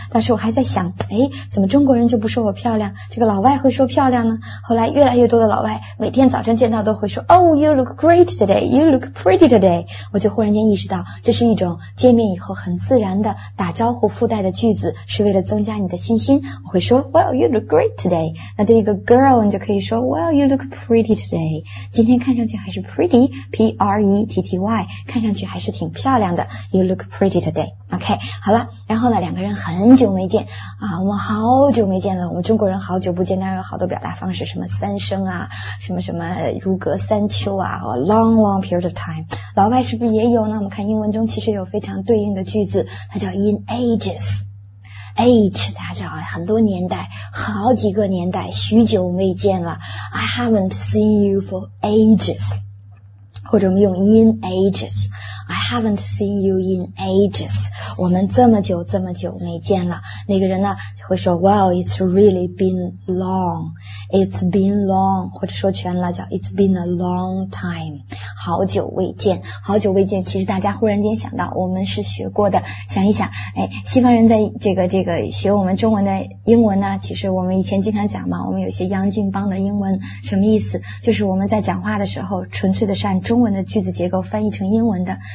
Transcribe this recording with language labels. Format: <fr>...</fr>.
<zh>当时我还在想，哎，怎么中国人就不说我漂亮，这个老外会说漂亮呢？后来越来越多的老外每天早晨见到都会说</zh> <en>Oh, you look great today, you look pretty today.</en> <zh>我就忽然间意识到这是一种见面以后很自然的打招呼附带的句子，是为了增加你的信心。我会说</zh> <en>Well, you look great today.</en> <zh>那对一个 girl 你就可以说</zh> <en>Well, you look pretty today.</en> <zh>今天看上去还是 pretty, P-R-E-T-T-Y, 看上去还是挺漂亮的，</zh> <en>You look pretty today.</en> <zh>OK, 好了，然后呢两个人很久没见啊，我们好久没见了，我们中国人好久不见，当然有好多表达方式，什么三生啊，什么什么如隔三秋啊，</zh> <en>long long period of time。</en> <zh>老外是不是也有呢？我们看英文中其实有非常对应的句子，它叫 in ages。 age 大家知道很多年代，好几个年代，许久没见了，</zh> <en>I haven't seen you for ages。或者我们用 in agesI haven't seen you in ages.</en> <zh>我们这么久这么久没见了。那个人呢会说</zh> <en>Well, it's really been long. It's been long.</en> <zh>或者说全了叫</zh> <en>It's been a long time.</en> <zh>好久未见。好久未见，其实大家忽然间想到我们是学过的。想一想，哎，西方人在这个学我们中文的英文呢，其实我们以前经常讲嘛，我们有些央金邦的英文什么意思，就是我们在讲话的时候纯粹的是按中文的句子结构翻译成英文的。</zh>